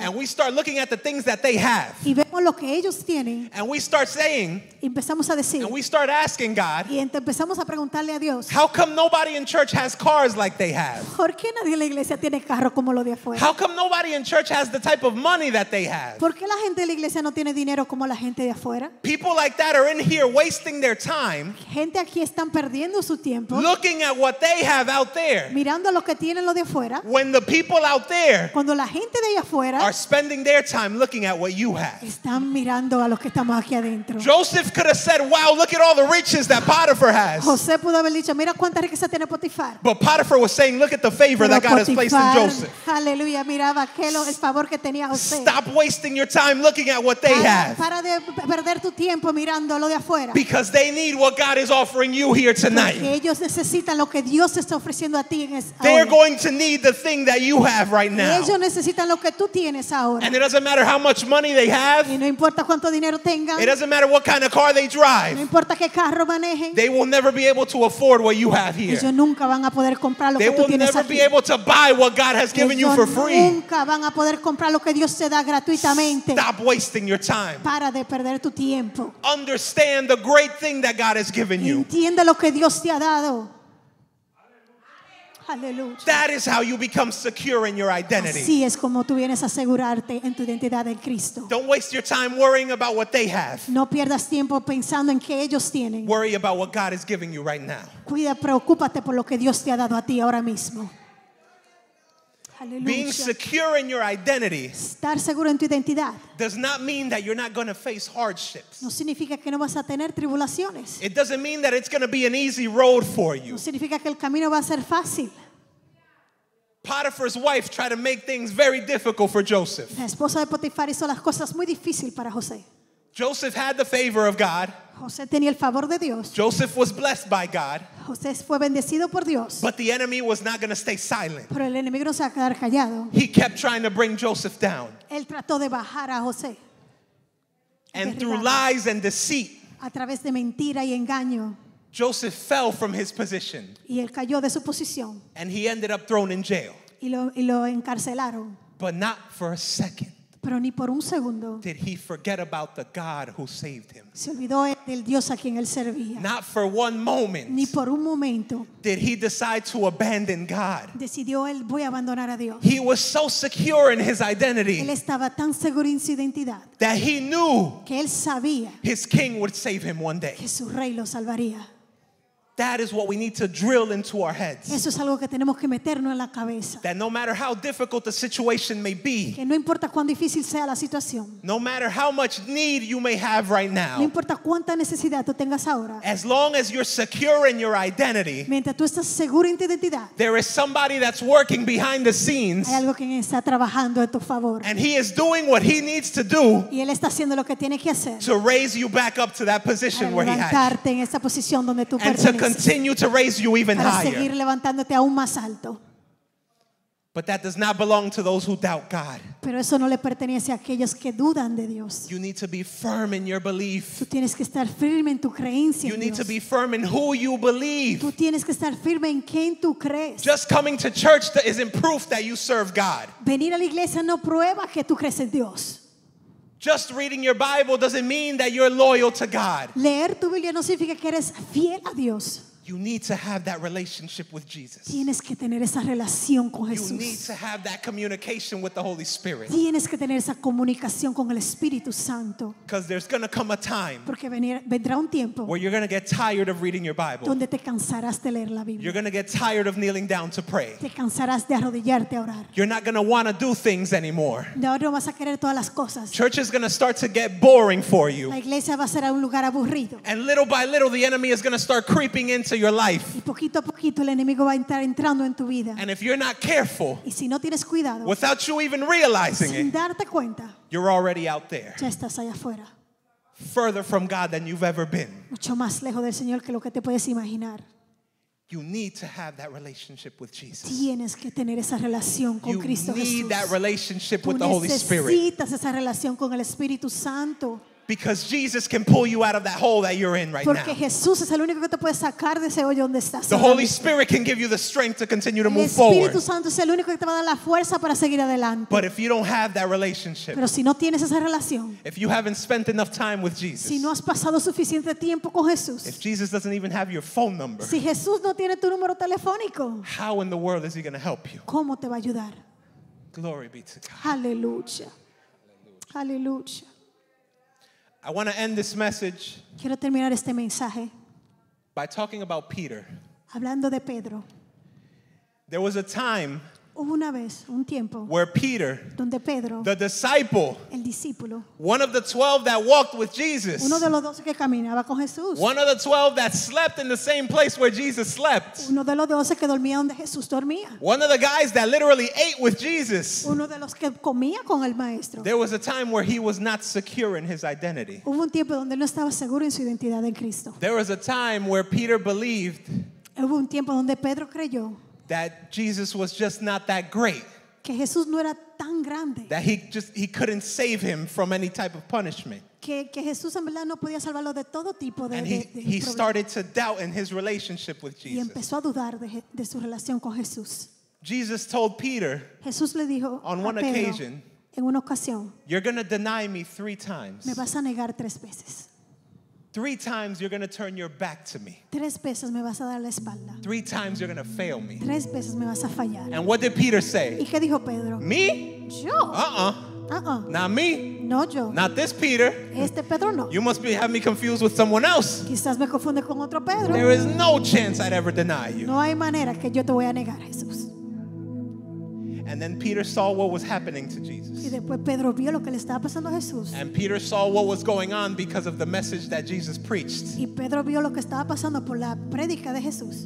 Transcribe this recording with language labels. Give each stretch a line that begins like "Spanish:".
English: and we start looking at the things that they have,
Spanish: y vemos lo que ellos tienen,
English: and we start saying,
Spanish: y empezamos a decir,
English: and we start asking God,
Spanish: y empezamos a preguntarle a Dios,
English: how come nobody in church has cars like they have?
Spanish: ¿Por qué nadie en la iglesia tiene carro como lo de afuera?
English: How come nobody in church has the type of money that they have?
Spanish: ¿Por qué la gente de la iglesia no tiene dinero como la gente de afuera?
English: People like that are in here wasting their time,
Spanish: gente aquí están perdiendo su tiempo,
English: looking at what they have out there.
Spanish: Mirando lo que tienen lo de afuera.
English: When the people out there,
Spanish: cuando la gente de allá afuera,
English: are spending their time looking at what you have.
Spanish: Están mirando a lo que estamos aquí adentro.
English: Joseph could have said, "Wow, look at all the riches that Potiphar has."
Spanish: José pudo haber dicho, "Mira cuánta riqueza tiene Potifar."
English: But Potiphar was saying, "Look at the favor that God has placed in Joseph."
Spanish: Aleluya, miraba aquello el favor que tenía José.
English: Stop wasting your time looking at what they have.
Spanish: Para de perder tu tiempo mirando lo de afuera.
English: Because they need what God is offering you here tonight.
Spanish: Porque ellos necesitan lo que Dios está ofreciendo a ti en esa hora.
English: They're going to need the thing that you have right now.
Spanish: Ellos necesitan lo que tú tienes ahora.
English: And it doesn't matter how much money they have.
Spanish: Y no importa cuánto dinero tengan.
English: It doesn't matter what kind of car they drive.
Spanish: No importa qué carro manejen.
English: They will never be able to afford what you have here.
Spanish: Ellos nunca van a poder comprar lo
English: they
Spanish: que tú tienes aquí.
English: They will never be able to buy what God has given
Spanish: ellos
English: you for free.
Spanish: Nunca van a poder comprar lo que Dios te da gratuitamente.
English: Stop wasting your time.
Spanish: Para de perder tu tiempo.
English: Understand the great thing that God has given you.
Spanish: Entiende lo que Dios te ha dado. Hallelujah.
English: That is how you become secure in your identity.
Spanish: Así es como tú vienes a asegurarte en tu identidad en Cristo.
English: Don't waste your time worrying about what they have.
Spanish: No pierdas tiempo pensando en qué ellos tienen.
English: Worry about what God is giving you right now.
Spanish: Cuida, preocúpate por lo que Dios te ha dado a ti ahora mismo.
English: Hallelujah. Being secure in your identity,
Spanish: estar seguro en tu identidad,
English: does not mean that you're not going to face hardships.
Spanish: No significa que no vas a tener tribulaciones.
English: It doesn't mean that it's going to be an easy road for you.
Spanish: No significa que el camino va a ser fácil.
English: Potiphar's wife tried to make things very difficult for Joseph.
Spanish: La esposa de Potifar hizo las cosas muy difícil para José.
English: Joseph had the favor of God.
Spanish: José tenía el favor de Dios.
English: Joseph was blessed by God.
Spanish: José fue bendecido por Dios.
English: But the enemy was not going to stay silent.
Spanish: Pero el enemigo no se va a quedar callado.
English: He kept trying to bring Joseph down.
Spanish: Él trató de bajar a José.
English: And through lies and deceit.
Spanish: a través de mentira y engaño.
English: Joseph fell from his position.
Spanish: Y él cayó de su posición.
English: And he ended up thrown in jail.
Spanish: Y lo encarcelaron.
English: But not for a second.
Spanish: Pero ni por un segundo.
English: Did he forget about the God who saved him?
Spanish: Se olvidó del Dios a quien él servía.
English: Not for one moment.
Spanish: Ni por un momento.
English: Did he decide to abandon God?
Spanish: Decidió él voy a abandonar a Dios.
English: He was so secure in his identity.
Spanish: Él estaba tan seguro en su identidad.
English: That he knew.
Spanish: Que él sabía.
English: His king would save him one day.
Spanish: Que su rey lo salvaría.
English: That is what we need to drill into our heads.
Spanish: Eso es algo que tenemos que meternos en la cabeza.
English: That no matter how difficult the situation may be,
Spanish: que no importa cuán difícil sea la situación,
English: no matter how much need you may have right now,
Spanish: no importa cuánta necesidad tú tengas ahora,
English: as long as you're secure in your identity,
Spanish: mientras tú estás seguro en tu identidad,
English: there is somebody that's working behind the scenes,
Spanish: hay algo que está trabajando en tu favor,
English: and he is doing what he needs to do,
Spanish: y él está haciendo lo que tiene que hacer,
English: to raise you back up to that position where he had you,
Spanish: levantarte en esa posición donde tú perteneces.
English: Continue to raise you even
Spanish: para
English: higher.
Spanish: Seguir levantándote aún más alto.
English: But that does not belong to those who doubt God.
Spanish: Pero eso no le pertenece a aquellos que dudan de Dios.
English: You need to be firm in your belief.
Spanish: Tú tienes que estar firme en tu creencia.
English: You
Spanish: en
English: need
Spanish: Dios.
English: To be firm in who you believe.
Spanish: Tú tienes que estar firme en quien tú crees.
English: Just coming to church isn't proof that you serve God.
Spanish: Venir a la iglesia no prueba que tú crees en Dios.
English: Just reading your Bible doesn't mean that you're loyal to God.
Spanish: Leer tu Biblia no significa que eres fiel a Dios.
English: You need to have that relationship with Jesus.
Spanish: Tienes que tener esa relación con Jesús.
English: You need to have that communication with the Holy Spirit.
Spanish: Tienes que tener esa comunicación con el Espíritu Santo.
English: Because there's going to come a time
Spanish: porque vendrá un tiempo
English: where you're going to get tired of reading your Bible.
Spanish: Donde te cansarás de leer la Biblia.
English: You're going to get tired of kneeling down to pray.
Spanish: Te cansarás de arrodillarte a orar.
English: You're not going to want to do things anymore.
Spanish: De ahora no vas a querer todas las cosas.
English: Church is going to start to get boring for you.
Spanish: La iglesia va a ser un lugar aburrido.
English: And little by little the enemy is going to start creeping into your life.
Spanish: Y poquito a poquito el enemigo va a entrar entrando en tu vida.
English: And if you're not careful,
Spanish: y si no tienes cuidado,
English: without you even realizing
Spanish: sin darte cuenta,
English: it, you're already out there.
Spanish: Ya estás allá afuera.
English: Further from God than you've ever been.
Spanish: Mucho más lejos del Señor que lo que te puedes imaginar.
English: You need to have that relationship with Jesus.
Spanish: Tienes que tener esa relación con Cristo Jesús.
English: You need that relationship with the Holy Spirit.
Spanish: Necesitas esa relación con el Espíritu Santo.
English: Because Jesus can pull you out of that hole that you're in right
Spanish: porque
English: now.
Spanish: Jesús es el único que te puede sacar de ese hoyo donde estás.
English: The Holy Spirit can give you the strength to continue to
Spanish: el
English: move
Spanish: Espíritu Santo es el único que te va a dar la fuerza para seguir adelante.
English: But if you don't have that relationship.
Spanish: Pero si no tienes esa relación.
English: If you haven't spent enough time with Jesus.
Spanish: Si no has pasado suficiente tiempo con Jesús.
English: If Jesus doesn't even have your phone number.
Spanish: Si Jesús no tiene tu número telefónico.
English: How in the world is he going to help you?
Spanish: ¿Cómo te va a ayudar?
English: Glory be to God.
Spanish: Aleluya. Aleluya.
English: I want to end this message.
Spanish: Quiero terminar este mensaje.
English: By talking about Peter.
Spanish: Hablando de Pedro.
English: There was a time.
Spanish: Hubo una vez, un tiempo.
English: Where Peter.
Spanish: Donde Pedro.
English: The disciple.
Spanish: El discípulo.
English: One of the 12 that walked with Jesus.
Spanish: Uno de los 12 que caminaba con Jesús.
English: One of the 12 that slept in the same place where Jesus slept.
Spanish: Uno de los 12 que dormía donde Jesús dormía.
English: One of the guys that literally ate with Jesus.
Spanish: Uno de los que comía con el maestro.
English: There was a time where he was not secure in his identity.
Spanish: Hubo un tiempo donde no estaba seguro en su identidad en Cristo.
English: There was a time where Peter believed.
Spanish: Hubo un tiempo donde Pedro creyó.
English: That Jesus was just not that great.
Spanish: Que Jesús no era tan grande.
English: That he couldn't save him from any type of punishment.
Spanish: Que Jesús en verdad no podía salvarlo de todo tipo de problemas.
English: And he started to doubt in his relationship with Jesus.
Spanish: Y empezó a dudar de su relación con Jesús.
English: Jesus told Peter.
Spanish: Jesús le dijo a Pedro.
English: On one occasion.
Spanish: En una ocasión.
English: You're going to deny me 3 times.
Spanish: Me vas a negar 3 veces.
English: 3 times you're going to turn your back to me.
Spanish: 3 veces me vas a dar la espalda.
English: 3 times you're going to fail me.
Spanish: 3 veces me vas a fallar.
English: And what did Peter say?
Spanish: ¿Y qué dijo Pedro?
English: Me?
Spanish: Yo.
English: Not me.
Spanish: No yo.
English: Not this Peter.
Spanish: Este Pedro no.
English: You must be have me confused with someone else.
Spanish: Quizás me confunde con otro Pedro.
English: There is no chance I'd ever deny you.
Spanish: No hay manera que yo te voy a negar, Jesús.
English: And then Peter saw what was happening to Jesus.
Spanish: Y después Pedro vio lo que le estaba pasando a Jesús.
English: And Peter saw what was going on because of the message that Jesus preached.
Spanish: Y Pedro vio lo que estaba pasando por la prédica de Jesús.